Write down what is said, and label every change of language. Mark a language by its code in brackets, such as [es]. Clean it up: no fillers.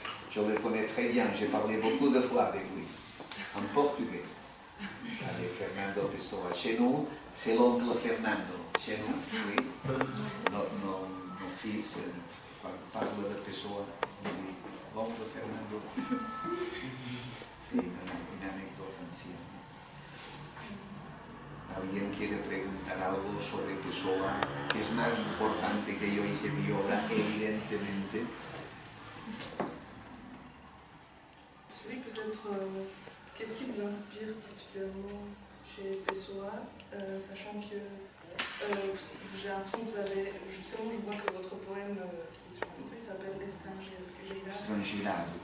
[fr] Je le connais très bien, j'ai parlé beaucoup de fois avec lui, en portugais, avec Fernando Pessoa. Chez nous, c'est l'oncle Fernando. Chez nous, oui. Mon fils parle de Pessoa, l'oncle Fernando. C'est une anecdote ancienne. [es] ¿Alguien quiere preguntar algo sobre Pessoa, que es más importante que yo y que mi obra, evidentemente? [fr] Oui, peut-être, qu'est-ce qui vous inspire particulièrement chez Pessoa, sachant que j'ai l'impression que vous avez, justement, je vois que votre poème, qui se compris, s'appelle Estrangeirado.